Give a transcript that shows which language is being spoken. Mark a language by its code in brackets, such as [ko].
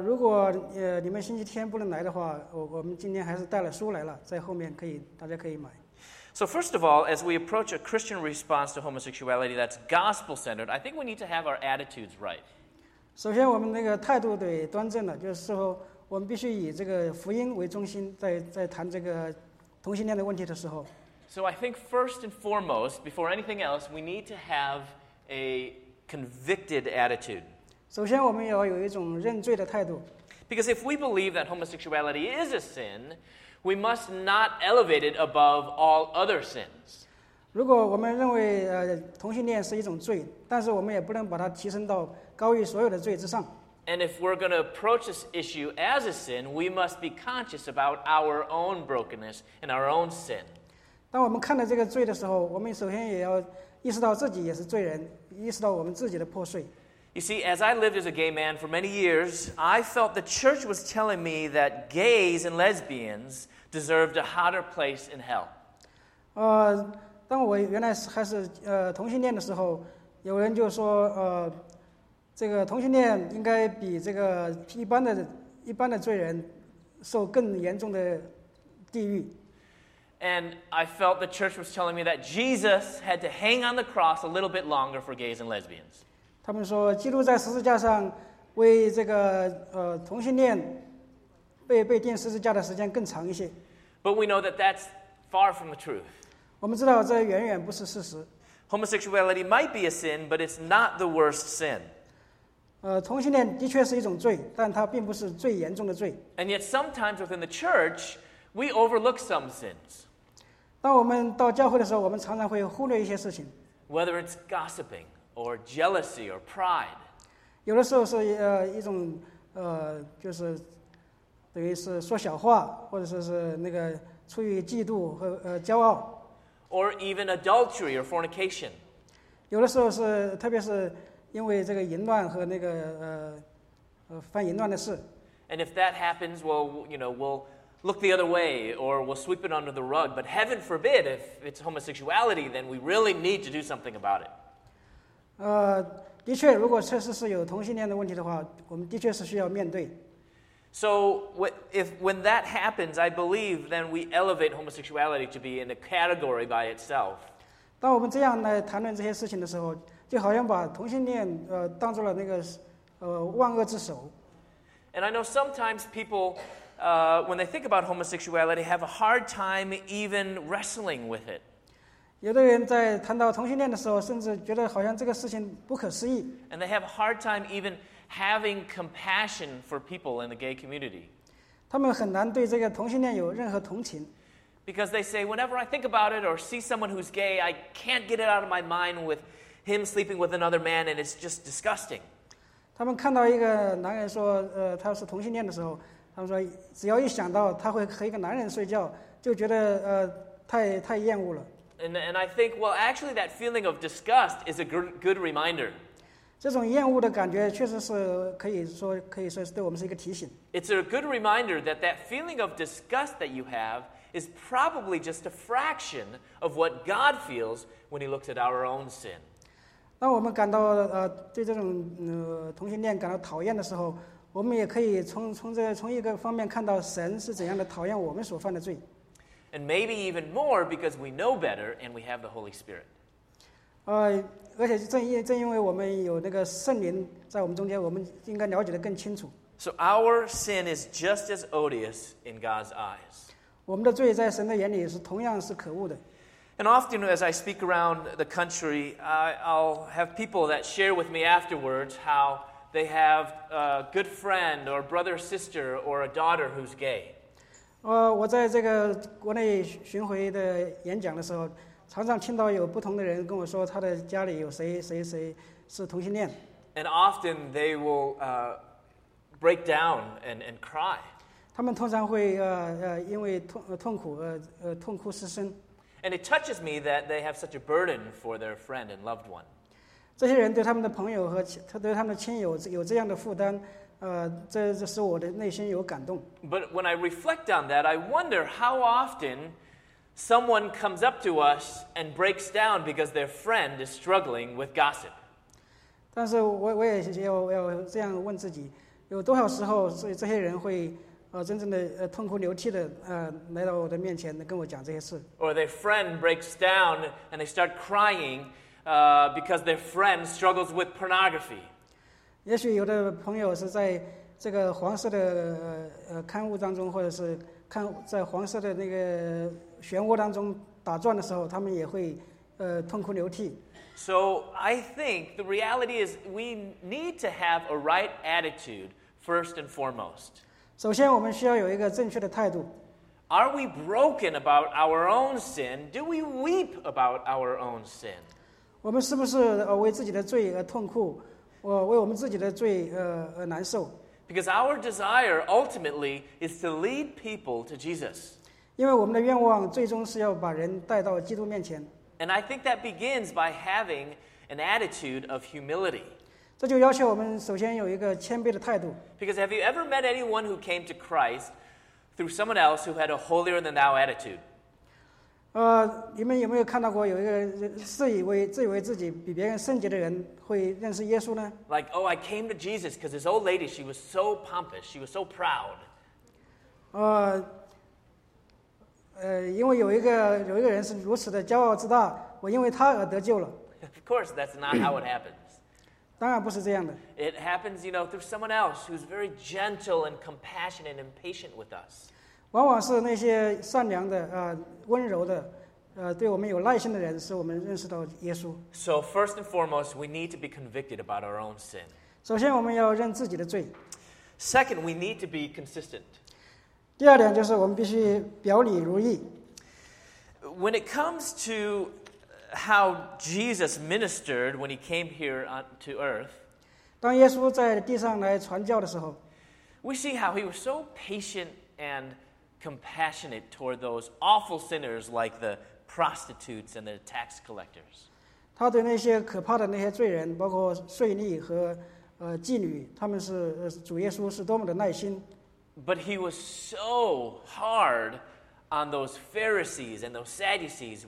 [zh] 如果你们星期天不能来的话，我们今天还是带了书来了，在后面可以大家可以买。 [en] So first of all, as we approach a Christian response to homosexuality that's gospel-centered, I think we need to have our attitudes right. [zh] 首先我们那个态度得端正了，就是说我们必须以这个福音为中心在谈这个同性恋的问题的时候。 [en] So I think first and foremost, before anything else, we need to have a convicted attitude. [zh] 首先我们要有一种认罪的态度。 [en] Because if we believe that homosexuality is a sin,We must not elevate it above all other sins. [zh] 如果我们认为同性恋是一种罪，但是我们也不能把它提升到高于所有的罪之上。 [en] And if we're going to approach this issue as a sin, we must be conscious about our own brokenness and our own sin. [zh] 当我们看到这个罪的时候，我们首先也要意识到自己也是罪人，意识到我们自己的破碎。 [en] You see, as I lived as a gay man for many years, I felt the church was telling me that gays and lesbians deserved a hotter place in hell. [zh] 当我原来还是同性恋的时候，有人就说这个同性恋应该比这个一般的罪人受更严重的地狱。 [en] And I felt the church was telling me that Jesus had to hang on the cross a little bit longer for gays and lesbians. [zh] 他们说基督在十字架上为这个同性恋被钉十字架的时间更长一些。 [en] But we know that that's far from the truth. [zh] 我们知道这远远不是事实。 [en] Homosexuality might be a sin, but it's not the worst sin. [zh] 同性恋的确是一种罪，但它并不是最严重的罪。 [en] And yet sometimes within the church, we overlook some sins. [zh] 当我们到教会的时候，我们常常会忽略一些事情。 [en] Whether it's gossiping, or jealousy, or pride. [zh] 有的时候是一种就是等于是说小话，或者说是那个出于嫉妒和骄傲。 [en] Or even adultery or fornication. [zh] 有的时候是特别是因为这个淫乱和那个犯淫乱的事。 [en] And if that happens, well, you know, we'll look the other way or we'll sweep it under the rug. But heaven forbid, if it's homosexuality, then we really need to do something about it. [zh] 的确，如果确实是有同性恋的问题的话，我们的确是需要面对。 [en] So, if when that happens, I believe then we elevate homosexuality to be in a category by itself. [zh] 当我们这样来谈论这些事情的时候，就好像把同性恋当做了那个万恶之首。 [en] And I know sometimes people, when they think about homosexuality, have a hard time even wrestling with it. [zh] 有的人在谈到同性恋的时候，甚至觉得好像这个事情不可思议。 [en] And they have a hard time even having compassion for people in the gay community. [zh] 他们很难对这个同性恋有任何同情。 [en] Because they say, whenever I think about it or see someone who's gay, I can't get it out of my mind with him sleeping with another man, and it's just disgusting. [zh] 他们看到一个男人说他是同性恋的时候，他们说只要一想到他会和一个男人睡觉，就觉得太厌恶了。 [en] And I think, well, actually that feeling of disgust is a good reminder. [zh] 这种厌恶的感觉确实是可以说是对我们是一个提醒。 [en] It's a good reminder that that feeling of disgust that you have is probably just a fraction of what God feels when he looks at our own sin. [zh] 当我们感到对这种同性恋感到讨厌的时候，我们也可以从一个方面看到神是怎样的讨厌我们所犯的罪。 [en] And maybe even more because we know better and we have the Holy Spirit. [zh] 而且正因为我们有那个圣灵在我们中间，我们应该了解得更清楚。 [en] So our sin is just as odious in God's eyes. [zh] 我们的罪在神的眼里是同样是可恶的。 [en] And often as I speak around the country, I'll have people that share with me afterwards how they have a good friend or brother, sister, or a daughter who's gay. [zh] 我在这个国内巡回的演讲的时候，常常听到有不同的人跟我说他的家里有谁是同性恋。 [en] And often they will break down and cry. [zh] 他们通常会因为痛苦痛哭失声。 [en] And it touches me that they have such a burden for their friend and loved one. [zh] 这些人对他们的朋友和对他们的亲友有这样的负担，这使我的内心有感动。 [en] But when I reflect on that, I wonder how often someone comes up to us and breaks down because their friend is struggling with gossip. [zh] 但是我也要这样问自己，有多少时候这些人会真正的痛哭流涕的来到我的面前跟我讲这些事。 [en] Or their friend breaks down and they start crying because their friend struggles with pornography. [zh] 也许有的朋友是在这个黄色的刊物当中，或者是在黄色的那个漩涡当中打转的时候，他们也会痛哭流涕。 [en] So I think the reality is we need to have a right attitude first and foremost. [zh] 首先我们需要有一个正确的态度。 [en] Are we broken about our own sin? Do we weep about our own sin? [zh] 我们是不是为自己的罪而痛哭，为我们自己的罪而难受。 [en] Because our desire ultimately is to lead people to Jesus. [zh] 因为我们的愿望最终是要把人带到基督面前。 [en] And I think that begins by having an attitude of humility. [zh] 这就要求我们首先有一个谦卑的态度。 [en] Because have you ever met anyone who came to Christ through someone else who had a holier-than-thou attitude? [zh] 你们有没有看到过有一个自以为自己比别人圣洁的人会认识耶稣呢 [en] ？Like, oh, I came to Jesus because this old lady, she was so pompous, she was so proud. [zh] 因为有一个人是如此的骄傲自大，我因为他而得救了。 [en] Of course, that's not how it happens. [zh] 当然不是这样的。 [en] It happens, you know, through someone else who's very gentle and compassionate and impatient with us. [zh] 往往是那些善良的、温柔的、对我们有耐心的人，使我们认识到耶稣。 [en] So first and foremost, we need to be convicted about our own sin. [zh] 首先，我们要认自己的罪。 [en] Second, we need to be consistent. [zh] 第二点就是我们必须表里如一。 [en] When it comes to how Jesus ministered when he came here to earth, [zh] 当耶稣在地上来传教的时候 [en] ，we see how he was so patient and compassionate toward those awful sinners like the prostitutes and the tax collectors. [zh] 他对那些可怕的那些罪人，包括税吏和妓女，他们是主耶稣是多么的耐心。 [en] But he was so hard on those Pharisees and those Sadducees.